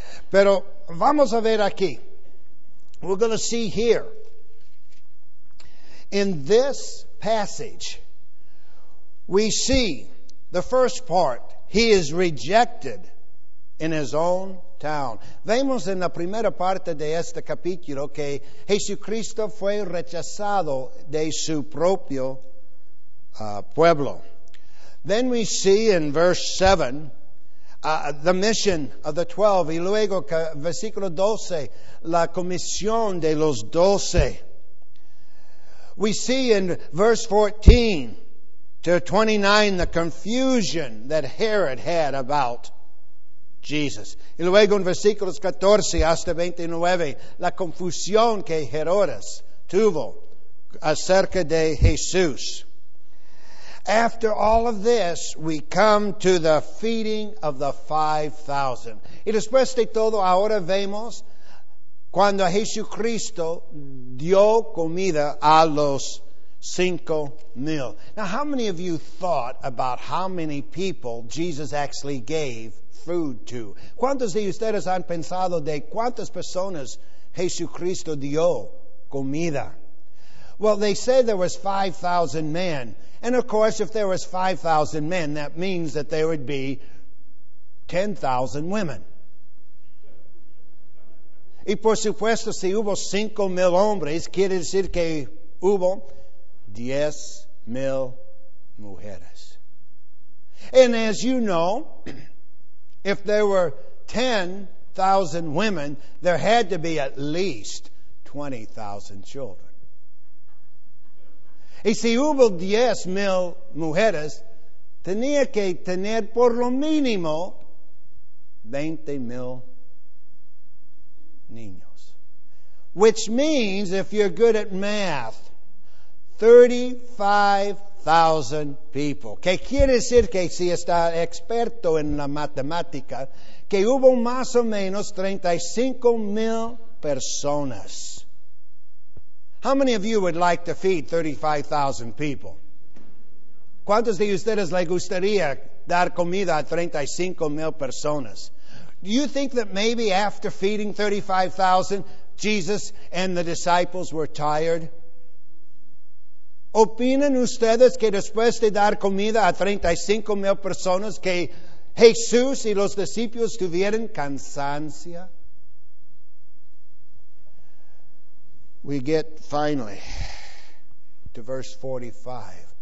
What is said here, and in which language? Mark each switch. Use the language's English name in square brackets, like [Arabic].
[Spanish] Pero vamos a ver aquí. [English] We're going to see here. In this passage, we see the first part. He is rejected in his own town. [Spanish] Vemos en la primera parte de este capítulo que Jesucristo fue rechazado de su propio pueblo. [English] Then we see in verse 7, the mission of the 12. [Spanish] Y luego, versículo 12, la comisión de los 12. [English] We see in verse 14 to 29 the confusion that Herod had about Jesus. [Spanish] Y luego en versículos 14 hasta 29, la confusión que Herodes tuvo acerca de Jesús. [English] After all of this, we come to the feeding of the 5,000. [Spanish] Y después de todo, ahora vemos cuando Jesucristo dio comida a los 5,000. [English] Now, how many of you thought about how many people Jesus actually gave food to? [Spanish] ¿Cuántos de ustedes han pensado de cuántas personas Jesucristo dio comida? [English] Well, they say there was 5,000 men. And of course, if there was 5,000 men, that means that there would be 10,000 women. [Spanish] Y por supuesto, si hubo 5,000 hombres, quiere decir que hubo 10,000 mujeres. [English] And as you know, if there were 10,000 women, there had to be at least 20,000 children. [Spanish] Y si hubo 10,000 mujeres, tenía que tener por lo mínimo 20,000 niños. [English] Which means, if you're good at math, 35,000 people. [Spanish] ¿Qué quiere decir que si está experto en la matemática, que hubo más o menos 35,000 personas? [English] How many of you would like to feed 35,000 people? [Spanish] ¿Cuántos de ustedes le gustaría dar comida a 35,000 personas? [English] Do you think that maybe after feeding 35,000, Jesus and the disciples were tired? [Spanish] ¿Opinan ustedes que después de dar comida a 35,000 personas, que Jesús y los discípulos tuvieron cansancio? [English] We get finally to verse 45.